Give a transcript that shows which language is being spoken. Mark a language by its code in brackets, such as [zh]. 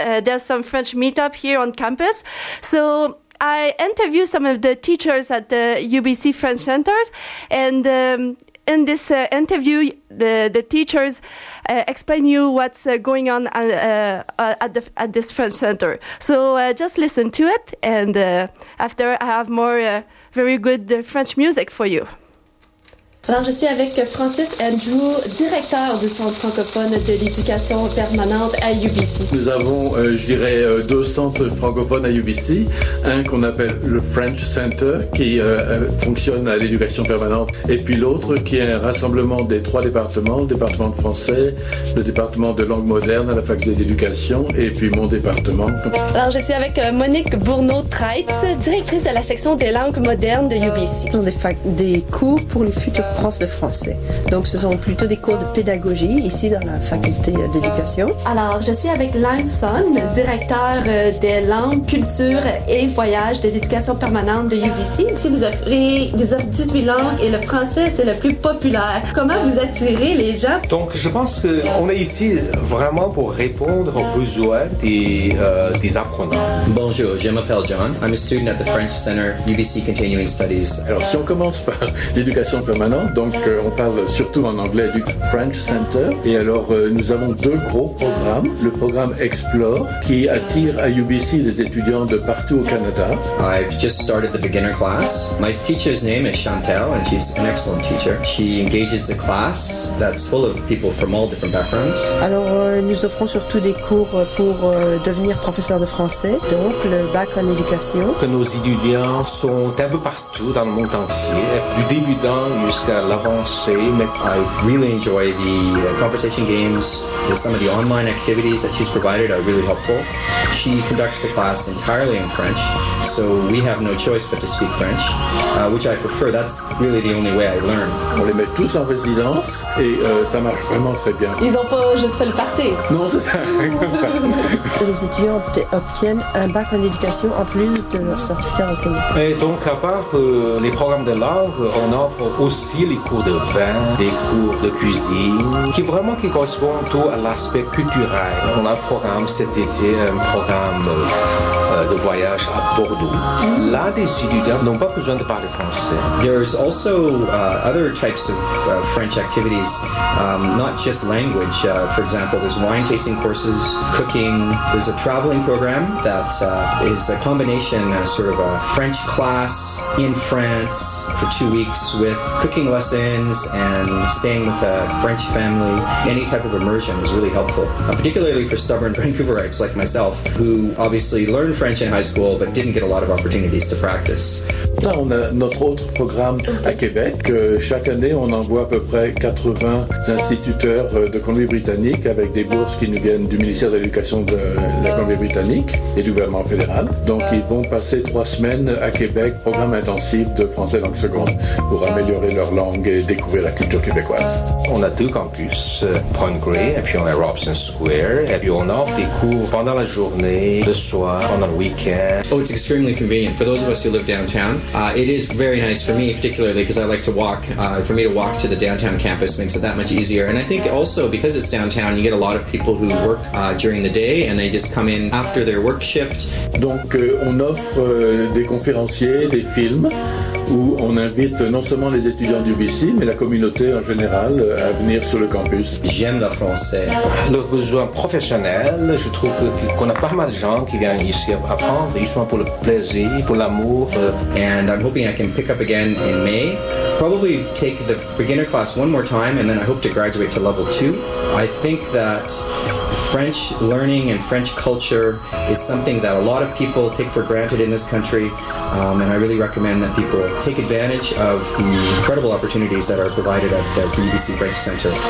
[en] There's some French meetup here on campus. So I interview some of the teachers at the UBC French Centers, and in this interview, the teachers explain you what's going on at this French Center. So just listen to it, and after I have more very good French music for you. [fr] Alors, je suis avec Francis Andrew, directeur du Centre francophone de l'éducation permanente à UBC. Nous avons, je dirais, deux centres francophones à UBC. Un qu'on appelle le French Center, qui fonctionne à l'éducation permanente. Et puis l'autre, qui est un rassemblement des trois départements, le département de français, le département de langue moderne à la faculté d'éducation, et puis mon département. Alors, je suis avec Monique Bourneau-Traitz, directrice de la section des langues modernes de UBC. Des cours pour les futurs prof de français. Donc, ce sont plutôt des cours de pédagogie ici dans la faculté d'éducation. Alors, je suis avec Langson, directeur des langues, cultures et voyages de l'éducation permanente de UBC. Ici, vous offrez des 18 langues et le français, c'est le plus populaire. Comment vous attirez les gens? Donc, je pense qu'on est ici vraiment pour répondre aux besoins des apprenants. Bonjour, je m'appelle John. [en] I'm a student at the French Center UBC Continuing Studies. [fr] Alors, si on commence par l'éducation permanente, donc on parle surtout en anglais du French Center. Et alors nous avons deux gros programmes. Le programme Explore qui attire à UBC des étudiants de partout au Canada. [en] I've just started the beginner class. My teacher's name is Chantel and she's an excellent teacher. She engages the class that's full of people from all different backgrounds. [fr] Alors nous offrons surtout des cours pour devenir professeur de français, donc le bac en éducation. Que nos étudiants sont un peu partout dans le monde entier, du débutant jusqu'à l'avancé. Mais [en] I really enjoy the conversation games. Some of the online activities that she's provided are really helpful. She conducts the class entirely in French, so we have no choice but to speak French, which I prefer. That's really the only way I learn. [fr] On les met tous en résidence et ça marche vraiment très bien. Ils ont pas juste fait le party. Non, c'est ça. Les étudiants obtiennent un bac en éducation en plus de leur certificat d'enseignement. Et donc, à part les programmes de langue, on offre aussi les cours de vin, les cours de cuisine, qui correspondent tout à l'aspect culturel. On a un programme cet été, un programme de voyage à Bordeaux. Là, des étudiants n'ont pas besoin de parler français. [en] There's also other types of French activities, not just language. For example, there's wine tasting courses, cooking. There's a traveling program that is a combination, sort of a French class in France for 2 weeks with cooking lessons and staying with a French family. Any type of immersion is really helpful, particularly for stubborn Vancouverites like myself, who obviously learned French in high school but didn't get a lot of opportunities to practice. [fr] Là, on a notre autre programme à Québec. Chaque année, on envoie à peu près 80 instituteurs de Colombie-Britannique avec des bourses qui nous viennent du ministère de l'Éducation de la Colombie-Britannique et du gouvernement fédéral. Donc, ils vont passer 3 semaines à Québec, programme intensif de français langue seconde pour améliorer leur langue et découvrir la culture québécoise. On a 2 campus, Pointe Grey et puis on a Robson Square. Et puis, on offre des cours pendant la journée, le soir, pendant le week-end. [en] Oh, it's extremely convenient for those of us who live downtown. It is very nice for me, particularly because I like to walk. For me to walk to the downtown campus makes it that much easier. And I think also because it's downtown, you get a lot of people who work during the day and they just come in after their work shift. [fr] Donc, on offre des conférenciers, des films, où on invite non seulement les étudiants d'UBC, mais la communauté en général à venir sur le campus. J'aime le français. Le besoin professionnel, je trouve qu'on a pas mal de gens qui viennent ici apprendre, justement pour le plaisir, pour l'amour. [en] And I'm hoping I can pick up again in May. Probably take the beginner class one more time, and then I hope to graduate to level 2. I think that French learning and French culture is something that a lot of people take for granted in this country, and I really recommend that people take advantage of the incredible opportunities that are provided at the UBC French Center.